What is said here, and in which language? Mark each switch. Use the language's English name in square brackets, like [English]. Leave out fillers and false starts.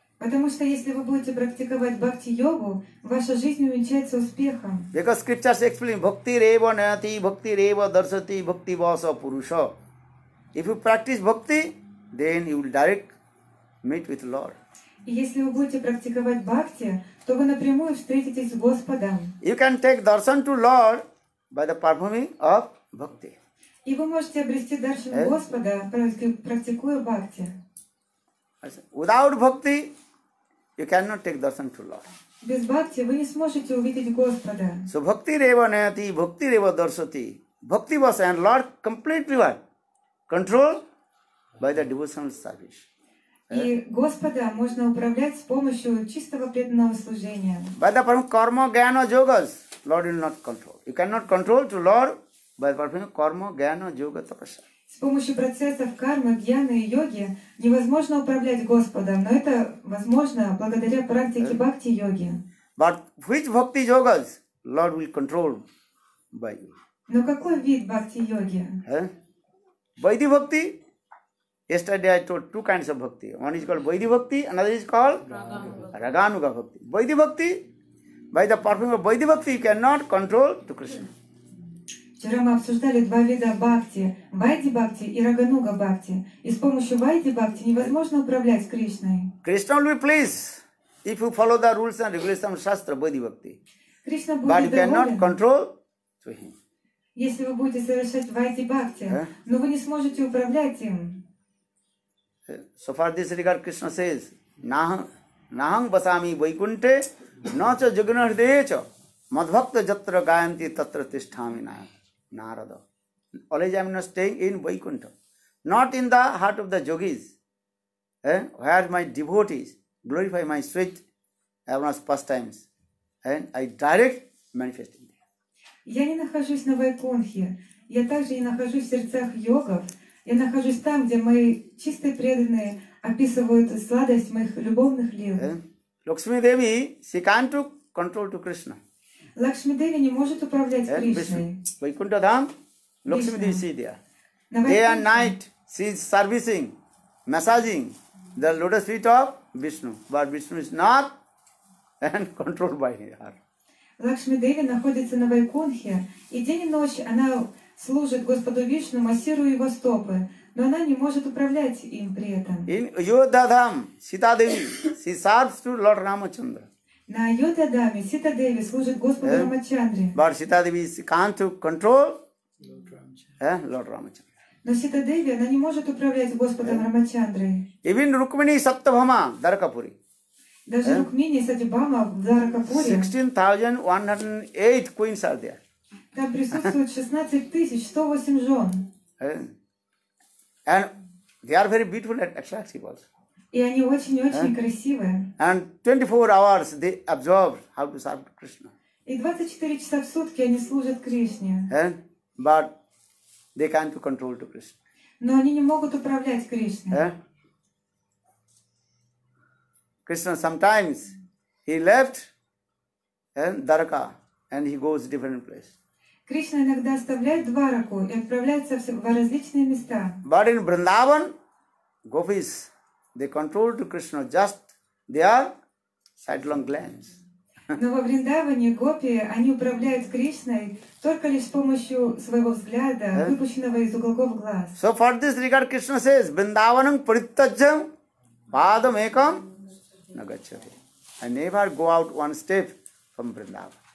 [Russian] Потому что если вы будете практиковать бхакти йогу, ваша жизнь увенчается успехом. [English] Because scriptures explain [Sanskrit] bhakti reva nayati, bhakti reva darsati, bhakti vasa purusha. [English] If you practice bhakti, then you will direct meet with Lord. [Russian] Если вы будете практиковать бхакти, то вы напрямую встретитесь с Господом. [English] You can take darshan to Lord by the performing of bhakti. [Russian] И вы можете обрести даршан Господа, практикуя бхакти. [English] Without bhakti, you cannot take darshan to Lord. [Russian] Без бхакти вы не сможете увидеть Господа. [English] So [Sanskrit] bhakti reva nayati, bhakti reva darshati, bhakti vasa [English] and Lord completely what? Control? By the devotional service. [Russian] И Господа можно управлять с помощью чистого преданного служения. [English] By the performing karma, jnana, yogas, Lord will not control. You cannot control to Lord by performing karma, jnana, yoga, tapasya. [Russian] С помощью процессов кармы, гьяны и йоги невозможно управлять Господом, но это возможно благодаря практике бхакти йоги. [English] But which bhakti yogas Lord will control by you? [Russian] Но какой вид бхакти йоги? [English] Vaidhi bhakti. Yesterday I told two kinds of bhakti. One is called Vaidhi bhakti, another is called Raganuga bhakti. Vaidhi bhakti, by the performing of Vaidhi bhakti, you cannot control to Krishna. [Russian] Вчера мы обсуждали два вида бхакти, Vaidhi bhakti и Raganuga bhakti. И с помощью Vaidhi bhakti невозможно управлять Кришной. [English] Krishna will be pleased if you follow the rules and regulations of Shastra Vaidhi bhakti. [Russian] Krishna будет доволен. [English] But you cannot control to him. [Russian] Если вы будете совершать Vaidhi bhakti, но вы не сможете управлять им. [English] So far this regard Krishna says, [Sanskrit] Nahang basami vaikunte, nacha jagnar decha, madhvakta jatra gayanti tatra tishthami narada. [English] Always I am not staying in Vaikuntha, not in the heart of the yogis, where my devotees glorify my sweet avanas pastimes, and I direct manifest in there. [Russian] Я не нахожусь на Вайкунхе, я также не нахожусь в сердцах йогов. Я нахожусь там, где мои чистые преданные описывают сладость моих любовных лил. [English] Lakshmi Devi, she can't control to Krishna. [Russian] Lakshmi Devi не может управлять Кришной. [English] Vaikuntha Dham, Lakshmi Devi is there. Day and night, she is servicing, massaging the lotus feet of Vishnu. But Vishnu is not and controlled by her. [Russian] Lakshmi Devi находится на Вайкунхе, и день и ночь она служит Господу Вишну, массируя его стопы, но она не может управлять им при этом. [English] In Ayodhya Dham, Sita Devi, she serves to Lord Ramachandra. [Russian] На Ayodhya Dham, Sita Devi служит Господу Рамачандре. [English] But Sita Devi can't control Lord Ramachandra. [Russian] Но Sita Devi, она не может управлять Господом Рамачандрой. [English] Even Rukmini Saptabhama, Dharakapuri. [Russian] Даже Рукмини, Садибама, Даракапури. [English] 16,108 queens are there. [Russian] Там присутствует 16,108 жен. [English] And they are very beautiful and attractive also. [Russian] И они очень-очень красивые. [English] And 24 hours they observe how to serve Krishna. [Russian] И 24 часа в сутки они служат Кришне. [English] But they can't control to Krishna. [Russian] Но они не могут управлять Кришной. [English] Krishna sometimes he left Dwarka and he goes different place. [Russian] Кришна иногда оставляет Двараку и отправляется в различные места. [English] But in Vrindavan, gopis, they control to Krishna just their sidelong glands. [Russian] Но во Вриндаване гопи, они управляют Кришной только лишь с помощью своего взгляда, выпущенного из уголков глаз. [English] So for this regard, Krishna says, [Sanskrit] Vrindavanam parityajyam padam ekam nagacchati. [English] I never go out one step from Vrindavan.